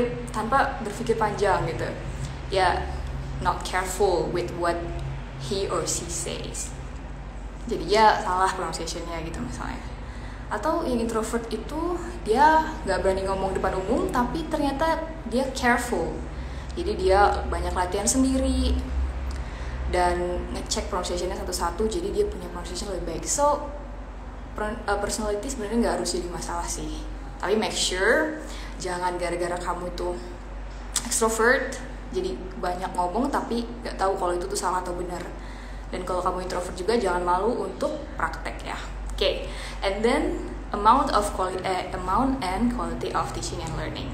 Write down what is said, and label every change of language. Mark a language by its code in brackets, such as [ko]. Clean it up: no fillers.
[id] Tanpa berpikir panjang gitu. [en] Ya not careful with what he or she says. [id] Jadi ya salah pronunciation-nya gitu misalnya. Atau yang introvert itu dia enggak berani ngomong depan umum tapi ternyata dia careful. Jadi dia banyak latihan sendiri dan ngecek pronunciation-nya satu-satu, jadi dia punya pronunciation lebih baik. So personality sebenarnya enggak harus jadi masalah sih. Tapi make sure jangan gara-gara kamu itu extrovert jadi banyak ngomong tapi enggak tahu kalau itu tuh salah atau benar. Dan kalau kamu introvert juga jangan malu untuk praktek ya. Oke. Okay. [en] And then amount and quality of teaching and learning.